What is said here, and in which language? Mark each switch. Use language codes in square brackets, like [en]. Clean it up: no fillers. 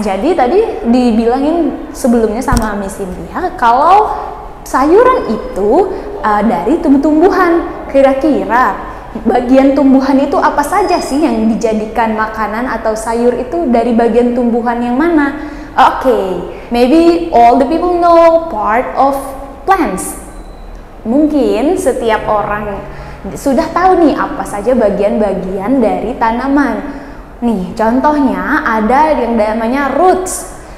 [id] Jadi tadi dibilangin sebelumnya sama Miss Cynthia kalau sayuran itu dari tumbuh-tumbuhan. Kira-kira bagian tumbuhan itu apa saja sih yang dijadikan makanan atau sayur itu dari bagian tumbuhan yang mana? [en] Okay, maybe all the people know part of plants. [id] Mungkin setiap orang sudah tahu nih apa saja bagian-bagian dari tanaman. Nih, contohnya ada yang namanya roots.